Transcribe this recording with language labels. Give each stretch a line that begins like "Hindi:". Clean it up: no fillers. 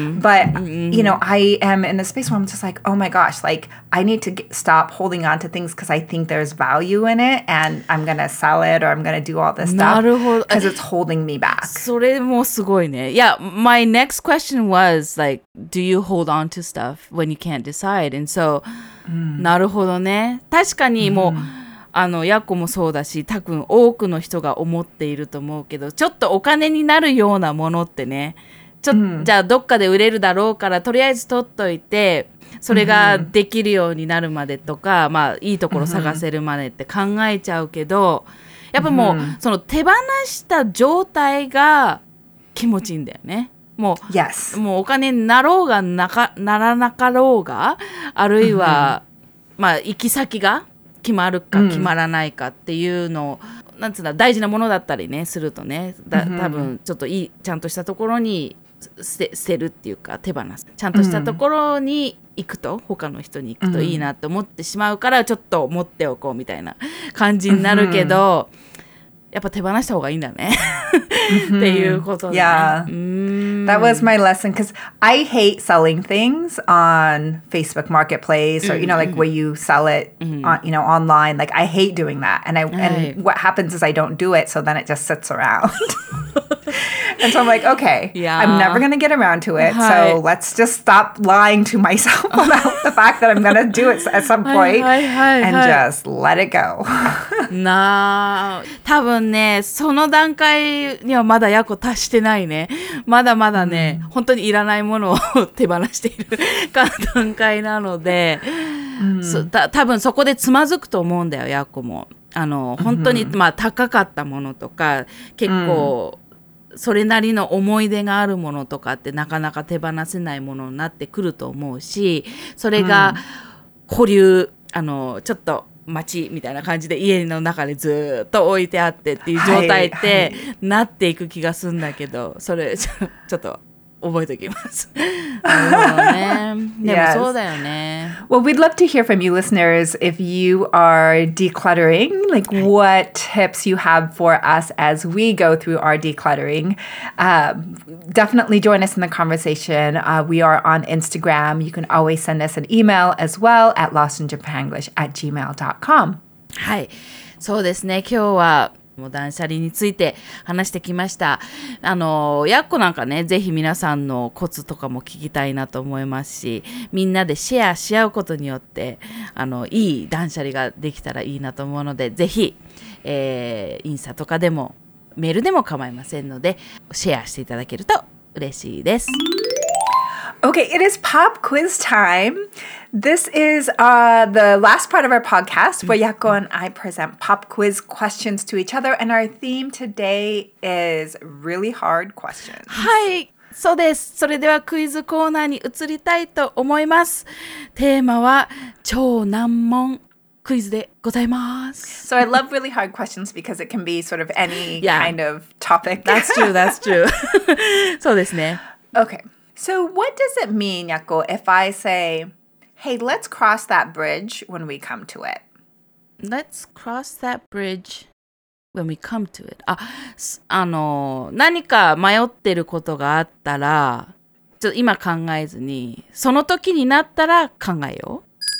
English: But, you know, I am in a space where I'm just like, oh, my gosh, like, I need to stop holding on to things because I think there's value in it, and I'm going to sell it, or I'm going to do all this stuff because it's holding me back.
Japanese: それもすごいね。
English: Yeah, my next question was, like, do you hold on to stuff when you can't decide? And so,
Japanese: なるほどね。確かにもう、あのヤコもそうだし、多分多くの人が思っていると思うけど、ちょっとお金になるようなものってね、じゃあどっかで売れるだろうからとりあえず取っといて、それができるようになるまでとか、まあいいところ探せるまでって考えちゃうけど、やっぱもうその手放した状態が気持ちいいんだよね。もう、もうお金になろうが ならなかろうが、あるいはまあ行き先が決まるか決まらないかっていうのを、なんつうんだ、大事なものだったりねするとね、多分ちょっといいちゃんとしたところに捨てるっていうか、手放す、ちゃんとしたところに行くと、他の人に行くといいなって思ってしまうから、ちょっと持っておこうみたいな感じになるけど、やっぱ手放した方がいいんだねっていうことね。
English: That was my lesson, because I hate selling things on Facebook Marketplace, or, you know, like where you sell it, on, you know, online. Like, I hate doing that. And what happens is I don't do it, so then it just sits around. And so I'm like, okay, yeah. I'm never going to get around to it. So let's just stop lying to myself about the fact that I'm going to do it at some point and just let it go.
Japanese: なあ、多分ね、その段階にはまだヤコ達してないね。まだまだね、mm-hmm. 本当にいらないものを手放している段階なので、mm-hmm. 多分そこでつまずくと思うんだよ、ヤコも。あの、本当に、mm-hmm. まあ高かったものとか、結構、mm-hmm. それなりの思い出があるものとかってなかなか手放せないものになってくると思うし、それが保留、うん、あのちょっと待ちみたいな感じで家の中でずっと置いてあってっていう状態ってなっていく気がするんだけど、はいはい、それちょっと覚えておきます。なるほどね。でもそうだよね。
English: Yes. Well, we'd love to hear from you listeners if you are decluttering, like what tips you have for us as we go through our decluttering. Definitely join us in the conversation. We are on Instagram. You can always send us an email as well at lostinjapanenglish@gmail.com.
Japanese: はい。そうですね。今日は断捨離について話してきました。あのやっこなんかね、ぜひ皆さんのコツとかも聞きたいなと思いますし、みんなでシェアし合うことによって、あのいい断捨離ができたらいいなと思うので、ぜひ、インスタとかでもメールでも構いませんので、シェアしていただけると嬉しいです。
English: Okay, it is pop quiz time. This is the last part of our podcast where Yako and I present pop quiz questions to each other, and our theme today is really hard questions.
Japanese: はい、そうです。それではクイズコーナーに移りたいと思います。テーマは超難問クイズでございます。
English: So I love really hard questions because it can be sort of any kind of topic. That's true, that's true.
Japanese: そうですね。
English: Okay, so what does it mean, Yako, if I say... Hey, let's cross that bridge when we come to it. Let's cross that bridge when we come to it.
Japanese: あの、何か迷ってることがあったら、ちょっと今考えずに、その時になったら考えよう。